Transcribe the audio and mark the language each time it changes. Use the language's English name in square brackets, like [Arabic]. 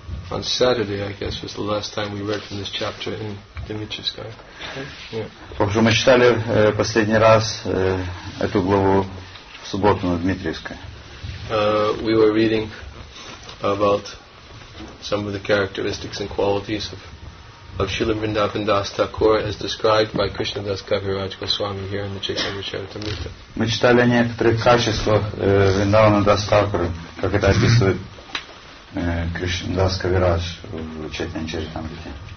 [English] On Saturday, I guess, was the last time we read from this chapter in Dimitrovskaya. Yeah. [Russian] Мы читали последний раз эту главу в субботу на Дмитриевской. [English] We were reading about some of the characteristics and qualities of Srila Vrindavan Das Thakur as described by Krishna Das Kaviraj Goswami here in the Chaitanya Charitamrita. [Russian] Мы читали о некоторых качествах Вриндавана Дас Такура, как это описывает Кришна Дас Кавирадж в Чайтанья Чаритамрите.